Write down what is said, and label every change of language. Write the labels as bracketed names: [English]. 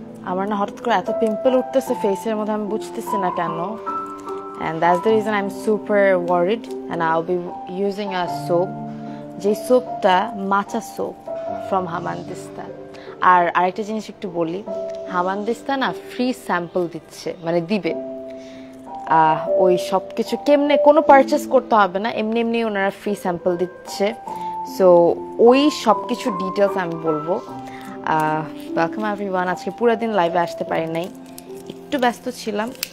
[Bangla] আমার না হঠাৎ করে এত পিম্পল উঠতেছে ফেসের মধ্যে, আমি বুঝতেছি না কেন। [English] And that's the reason I'm super worried, and I'll be using a soap. [Bangla] যে সোপটা মাচা সোপ ফ্রম হামান দিস্তা। আর আরেকটা জিনিস একটু বলি, হামান দিস্তা না ফ্রি স্যাম্পল দিচ্ছে, মানে দিবে ওই সব কিছু, কেমনে কোনো পারচেস করতে হবে না, এমনি এমনি ওনারা ফ্রি স্যাম্পল দিচ্ছে। সো ওই সব কিছু ডিটেলস আমি বলবো। [English] welcome everyone, [Bangla] আজকে পুরো দিন লাইভে আসতে পারি নাই, একটু ব্যস্ত ছিলাম।